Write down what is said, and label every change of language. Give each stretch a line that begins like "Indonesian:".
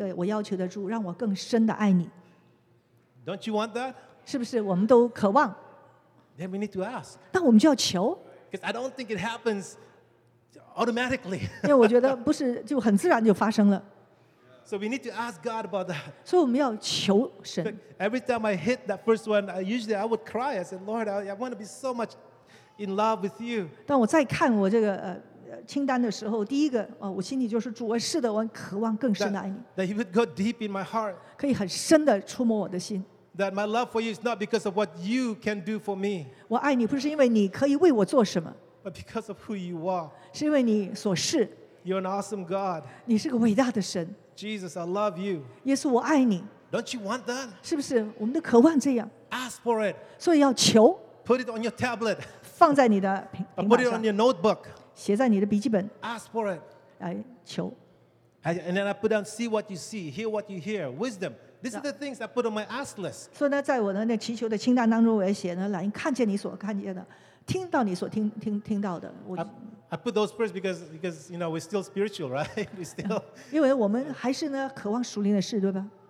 Chinese: 那我还是呢爱属灵的事情，所以第一个我要求的主，让我更深的爱你。
English: Don't you want that?
Chinese: 是不是我们都渴望？
English: Then we need to ask.
Chinese: 那我们就要求。
English: Because I don't think it happens automatically.
Chinese: 因为我觉得不是就很自然就发生了。
English: So we need to ask God about that.
Chinese: 所以我们要求神。
English: Every time I hit that first one, I would cry. I said, Lord, I want to be so much in love with you.
Chinese: 当我再看我这个清单的时候，第一个，我心里就是主，是的，我渴望更深的爱你。
English: That he would go deep in my heart.
Chinese: 可以很深的触摸我的心。
English: That my love for you is not because of what you can do for me.
Chinese: 我爱你不是因为你可以为我做什么。
English: But because of who you are.
Chinese: 是因为你所是。
English: You're an awesome God.
Chinese: 你是个伟大的神。
English: Jesus, I love you.
Chinese: 耶稣，我爱你。
English: Don't you want that?
Chinese: 是不是我们的渴望这样？
English: Ask for it.
Chinese: 所以要求。
English: Put it on your tablet.
Chinese: 放在你的平板上。
English: Put it on your notebook.
Chinese: 写在你的笔记本。
English: Ask for it.
Chinese: 来求。
English: And then I put down, see what you see, hear what you hear, wisdom. These are the things I put on my ask list.
Chinese: 所以呢，在我的那祈求的清单当中，我也写呢，来看见你所看见的，听到你所听到的。
English: I put those first because you know we're still spiritual, right? We still.
Chinese: 因为我们还是呢渴望属灵的事，对吧？